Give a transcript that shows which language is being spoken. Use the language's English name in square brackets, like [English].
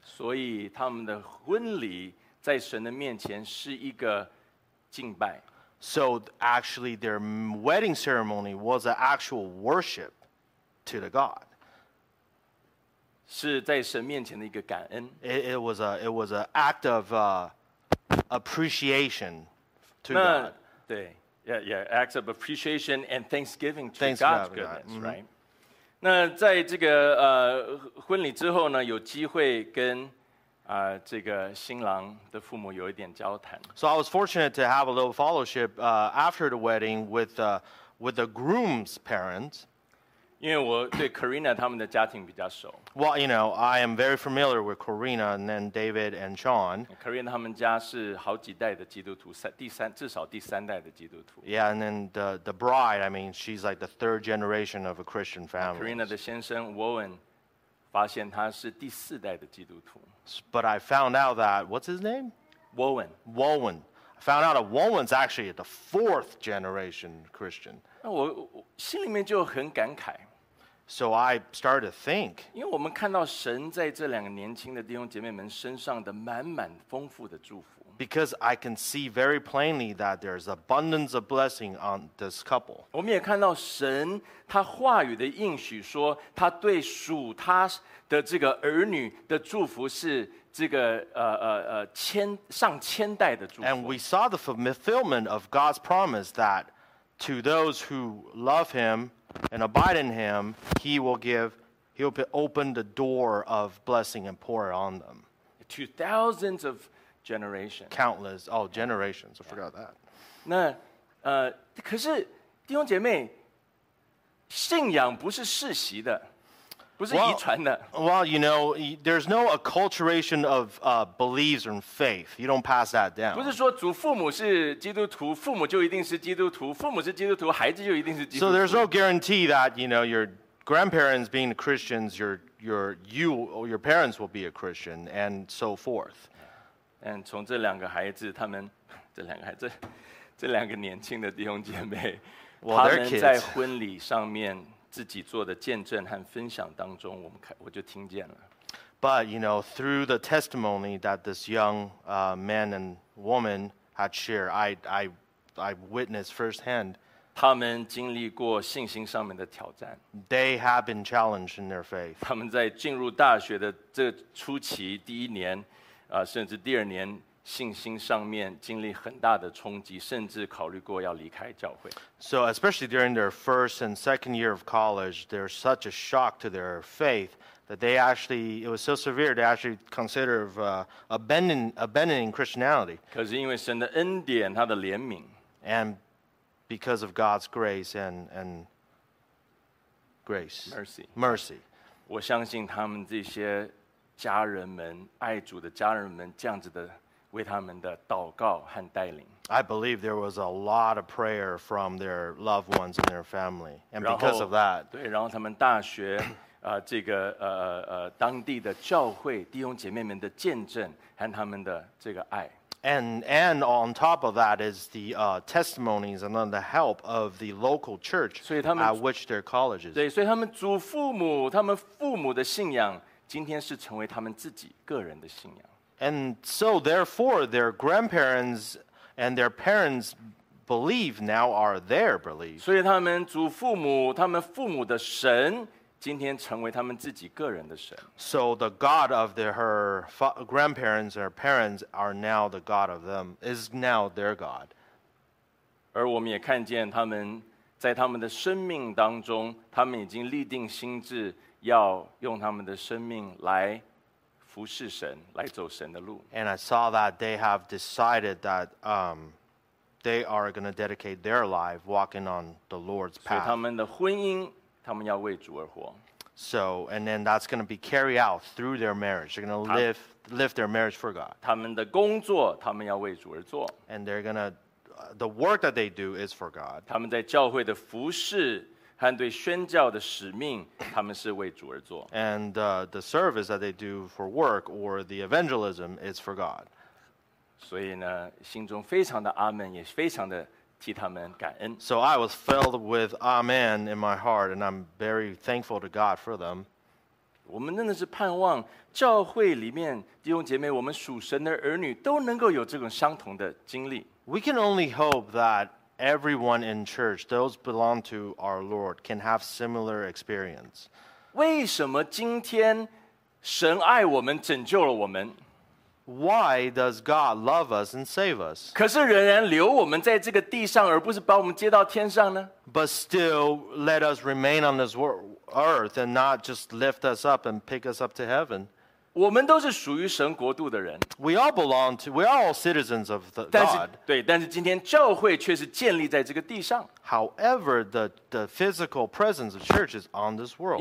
[Chinese] 所以他们的婚礼在神的面前是一个敬拜。 [English] So actually their wedding ceremony was an actual worship to the God. [Chinese] 是在神面前的一个感恩。 [English] It was an act of appreciation to God. 对 yeah, act of appreciation and thanksgiving to God's goodness, God. Right? [Chinese] 那在这个婚礼之后呢，有机会跟这个新郎的父母有一点交谈。 [English] So I was fortunate to have a little fellowship after the wedding with the groom's parents. [Chinese] 因为我对 Karina 他们的家庭比较熟。 [English] Well, you know, I am very familiar with Karina and then David and Sean. [Chinese] Karina 他们家是好几代的基督徒，至少第三代的基督徒。 [English] Yeah, and then the bride, I mean, she's like the third generation of a Christian family. Karina 的先生 Warren 发现他是第四代的基督徒。 But I found out that, what's his name? Warren. Warren. I found out that Warren's actually the fourth generation Christian. [Chinese] 那我心里面就很感慨。 [English] So I started to think. [Chinese] 因为我们看到神在这两个年轻的弟兄姐妹们身上的满满丰富的祝福。 [English] Because I can see very plainly that there's abundance of blessing on this couple. [Chinese] 我们也看到神他话语的应许说他对属他的这个儿女的祝福是这个千上千代的祝福。 [English] And we saw the fulfillment of God's promise that to those who love him,And abide in him, he will give, he'll open the door of blessing and pour it on them. To thousands of generations. Countless, oh, generations, I forgot that. [Chinese] 那可是弟兄姐妹，信仰不是世袭的，不是遗传的。 [English] Well, you know, there's no acculturation of beliefs and faith. You don't pass that down. [Chinese] 不是说祖父母是基督徒，父母就一定是基督徒，父母是基督徒，孩子就一定是基督徒。 [English] So there's no guarantee that, you know, your grandparents being Christians, your parents will be a Christian, and so forth. [Chinese] And 从这两个孩子，他们这两个孩子，这两个年轻的弟兄姐妹，他们在婚礼上面。自己做的见证和分享当中我就听见了 [English] But you know through the testimony that this young man and woman had shared I witnessed firsthand [Chinese] 他们经历过信心上面的挑战 [English] They have been challenged in their faith [Chinese] 他们在进入大学的这初期第一年甚至第二年信心上面经历很大的冲击，甚至考虑过要离开教会。 [English] So especially during their first and second year of college, there's such a shock to their faith that they actually, it was so severe, they actually consider of abandoning Christianity. [Chinese] 可是因为神的恩典，他的怜悯。 [English] And because of God's grace and grace. Mercy. [Chinese] 我相信他们这些家人们，爱主的家人们，这样子的为他们的祷告和带领。 [English] I believe there was a lot of prayer from their loved ones and their family, and because of that, [Chinese] 对，然后他们大学，这个当地的教会弟兄姐妹们的见证和他们的这个爱。 [English] And on top of that is the testimonies and then the help of the local church at which their colleges. [Chinese] 对，所以他们祖父母，他们父母的信仰，今天是成为他们自己个人的信仰。 [English] And so, therefore, their grandparents and their parents believe now are their belief. [Chinese] 所以他们祖父母，他们父母的神，今天成为他们自己个人的神。 [English] So the God of her grandparents or parents are now the God of them, is now their God. [Chinese] 而我们也看见他们在他们的生命当中，他们已经立定心志，要用他们的生命来服侍神，来走神的路。 [English] And I saw that they have decided that they are going to dedicate their life walking on the Lord's path. [Chinese] 所以他们的婚姻，他们要为主而活。 [English] So, and then that's going to be carried out through their marriage. They're going to live their marriage for God. [Chinese] 他们的工作，他们要为主而做。 [English] And they're going to, the work that they do is for God. [Chinese] 他们在教会的服侍和对宣教的使命，他们是为主而做。 [English] And the service that they do for work or the evangelism is for God. [Chinese] 所以呢，心中非常的阿们，也非常的替他们感恩。 [English] So I was filled with amen in my heart, and I'm very thankful to God for them. [Chinese] 我们真的是盼望教会里面弟兄姐妹，我们属神的儿女都能够有这种相同的经历。 [English] We can only hope that. Everyone in church, those belong to our Lord, can have similar experience. [Chinese] 为什么今天神爱我们，拯救了我们？ [English] Why does God love us and save us? [Chinese] 可是仍然留我们在这个地上，而不是把我们接到天上呢？ [English] But still let us remain on this earth and not just lift us up and pick us up to heaven. [Chinese] 我们都是属于神国度的人。 [English] We all belong to, we are all citizens of the God. [Chinese] 对，但是今天教会却是建立在这个地上。 [English] However, the physical presence of church is on this world.